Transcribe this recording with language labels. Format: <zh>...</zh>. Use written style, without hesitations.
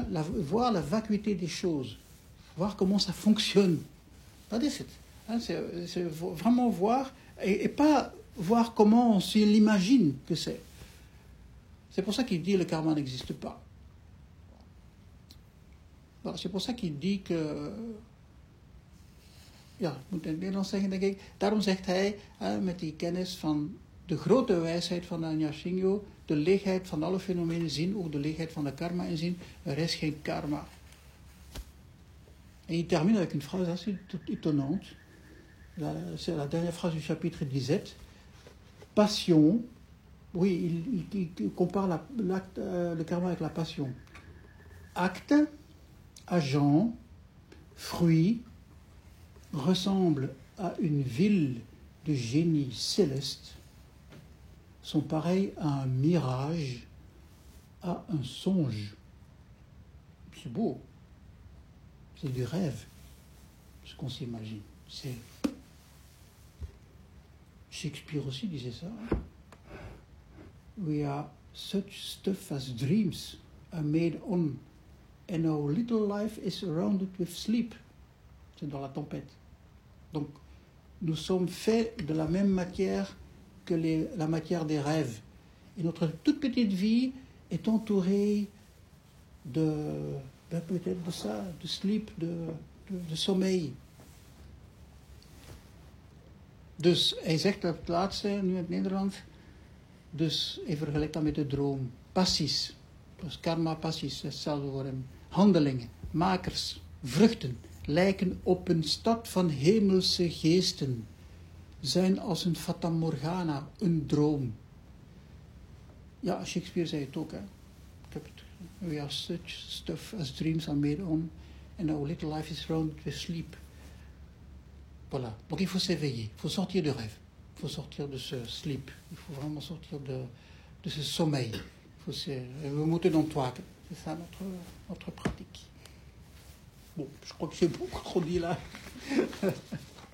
<fr>Voir la vacuité des choses, voir comment ça fonctionne,</fr> <nl>dat is het.</nl> <fr>C'est vraiment voir, et pas voir comment on s'imagine que c'est. C'est pour ça qu'il dit que le karma n'existe pas. Voilà, c'est pour ça qu'il dit que...</fr> <nl>Ja, ik moet in het Nederlands zeggen, denk ik. Daarom zegt hij, met die kennis van de grote wijsheid van Nyashinyo, de leegheid van alle fenomenen zien, ook de leegheid van de karma inzien, er is geen karma.</nl> <fr>En je termine avec une phrase assez étonnante. C'est la dernière phrase du chapitre 17. Passion. Oui, il compare le karma avec la passion. Acte, agent, fruit, ressemble à une ville de génie céleste. Sont pareils à un mirage, à un songe. C'est beau. C'est du rêve, ce qu'on s'imagine. C'est. Shakespeare aussi disait ça.</fr> <en>We are such stuff as dreams are made on, and our little life is surrounded with sleep.</en> <fr>C'est dans la tempête. Donc, nous sommes faits de la même matière. Que la matière des rêves. Et notre toute petite vie est entourée de peut-être de ça, de sleep, de sommeil.</fr> <nl>Dus hij zegt dat het laatste, nu in het Nederlands, dus hij vergelijkt dat met de droom. Passies. Dus karma passies, hetzelfde voor hem. Handelingen, makers, vruchten, lijken op een stad van hemelse geesten. Zijn als een Fata Morgana, een droom. Ja, Shakespeare zei het ook, hè. Ik heb het.</nl> <en>We are such stuff as dreams are made on. And our little life is surrounded with sleep.</en> <fr>Voilà. Donc il faut s'éveiller. Il faut sortir de rêve. Il faut sortir de ce sleep. Il faut vraiment sortir de ce sommeil.</fr> <nl>We moeten ontwaken.</nl> <fr>C'est ça notre pratique. Bon, je crois que j'ai beaucoup trop dit là.</fr>